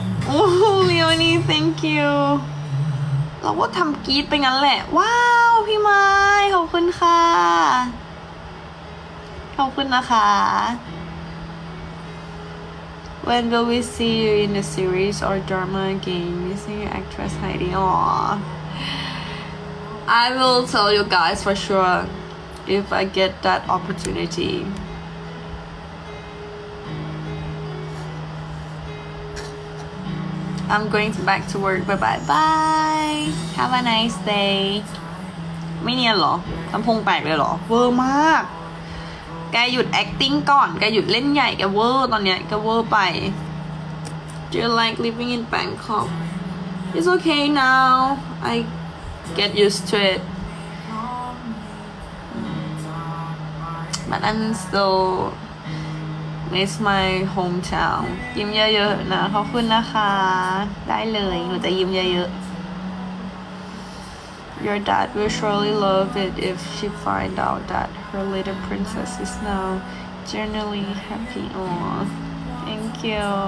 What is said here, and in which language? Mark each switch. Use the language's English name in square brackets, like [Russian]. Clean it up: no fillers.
[English] Oh, Leonie, thank you. [Thai] เราก็ทำกีดไปงั้นแหละว้าวพี่ไม้ขอบคุณค่ะขอบคุณนะคะ [English] When will we see you in the series or drama again? Missing your actress Heidi. Aww. I will tell you guys for sure if I get that opportunity. I'm going back to work. Bye bye bye. Have a nice day. [Thai] ไม่เนียนหรอทำพุงแปลกเลยหรอเวอร์มากแกหยุด acting ก่อนแกหยุดเล่นใหญ่แกเวอร์ตอนเนี้ยแกเวอร์ไป [English] Do you like living in Bangkok? It's okay now. I get used to it. But I'm still miss my hometown. [Thai] ยิ้มเยอะๆนะขอบคุณนะคะได้เลยหนูจะยิ้มเยอะๆ [English] Your dad will surely love it if she find out that her little princess is now genuinely happy. Aww, thank you.